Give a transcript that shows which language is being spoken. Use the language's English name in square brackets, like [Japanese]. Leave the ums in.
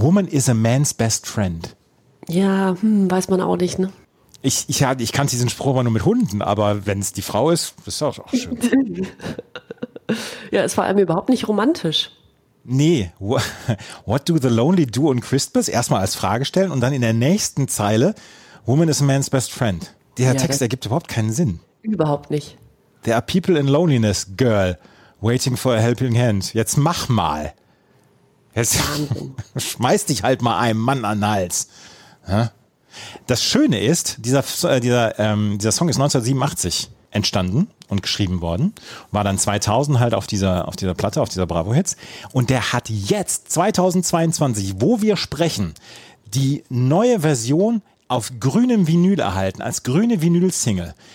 [English] Woman is a man's best friend. [German] Ja, hm, weiß man auch nicht, ne? Ich, ich, ich kann diesen Spruch aber nur mit Hunden, aber wenn es die Frau ist, ist das auch schön. Ja, ist vor allem überhaupt nicht romantisch. [English] Nee, wha- what do the lonely do on Christmas? [German] Erstmal als Frage stellen und dann in der nächsten Zeile, [English] Woman is a man's best friend. [German] Der Ja, Text das- ergibt überhaupt keinen Sinn. Überhaupt nicht. [English] There are people in loneliness, girl, waiting for a helping hand. [German] Jetzt mach mal. Jetzt schmeiß dich halt mal einem Mann an den Hals. Ja? Das Schöne ist, dieser, äh, dieser, ähm, dieser Song ist 1987 entstanden und geschrieben worden, war dann 2000 halt auf dieser, auf dieser Platte, auf dieser Bravo Hits. Und der hat jetzt, 2022, wo wir sprechen, die neue Version auf grünem Vinyl erhalten, als grüne Vinyl-Single.